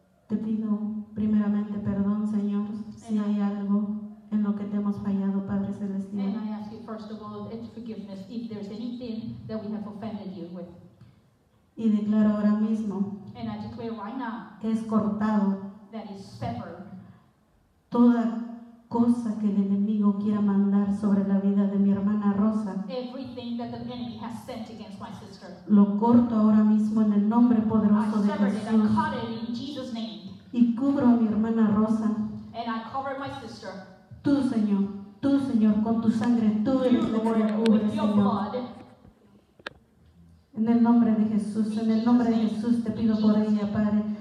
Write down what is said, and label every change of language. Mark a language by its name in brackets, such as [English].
[Spanish] Te pido primeramente perdón, Señor, si hay algo en lo que te hemos fallado, Padre Celestial. [English] And I ask you, first of all, and forgiveness if there's anything that we have offended you with. [Spanish] Y declaro ahora mismo [English] right now, [Spanish] que es cortado [English] that is severed, [Spanish] toda cosa que el enemigo quiera mandar sobre la vida de mi hermana Rosa. [English] Everything that the enemy has sent against my sister. [Spanish] Lo corto ahora mismo en el nombre poderoso [English] I [Spanish] de Jesús. [English] It, I caught it in Jesus' name. [Spanish] Y cubro a mi hermana Rosa. [English] And I cover my sister. [Spanish] Tú Señor, con tu sangre, tú eres la que cubre, Señor. En el nombre de Jesús, en el nombre de Jesús te pido por ella, Padre.